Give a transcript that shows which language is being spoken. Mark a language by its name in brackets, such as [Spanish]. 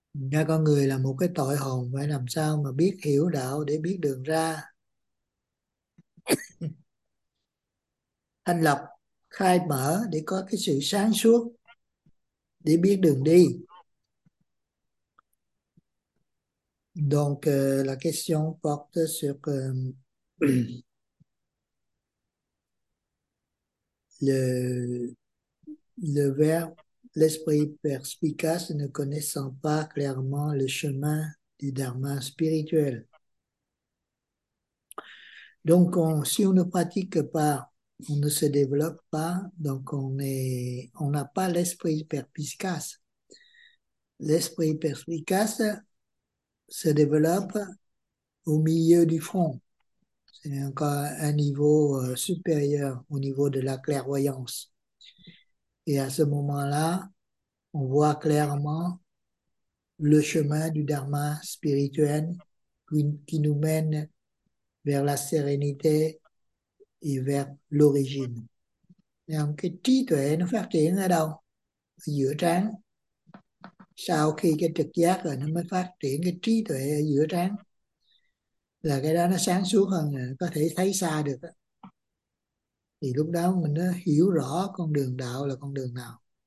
[Vietnamese] Ra con người là một cái tội hồn, phải làm sao mà biết hiểu đạo để biết đường ra. Thanh lọc, khai mở để có cái sự sáng suốt, để biết đường đi. [French] Donc, la question porte sur le verbe. L'esprit perspicace ne connaissant pas clairement le chemin du dharma spirituel. Donc, si on ne pratique pas, on ne se développe pas, donc on n'a pas l'esprit perspicace. L'esprit perspicace se développe au milieu du front. C'est encore un niveau supérieur au niveau de la clairvoyance. Et à ce moment-là, on voit clairement le chemin du dharma spirituel qui nous mène vers la sérénité et vers l'origine. [Vietnamese] Donc, cái trí tuệ nó phát triển ở đâu? Ở giữa trán. Sau khi cái trực giác rồi nó mới phát triển cái trí tuệ ở giữa trán. Là cái đó nó sáng suốt hơn, có thể thấy xa được. Thì lúc đó mình nó hiểu rõ con đường đạo là con đường nào.